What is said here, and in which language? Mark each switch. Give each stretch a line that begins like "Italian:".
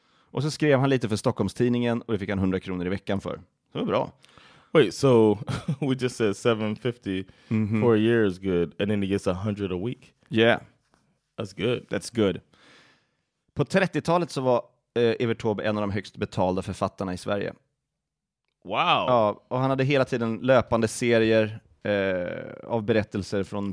Swedish: Och så skrev han lite för Stockholms-tidningen och det fick han 100 kronor i veckan för. Det var bra.
English: Wait, so we just said 750 for a year is good and then he gets 100 a week? Yeah. That's good. That's good.
Swedish: På 30-talet så var Evert Taube en av de högst betalda författarna i Sverige.
English: Wow.
Swedish: Ja, och han hade hela tiden löpande serier av berättelser från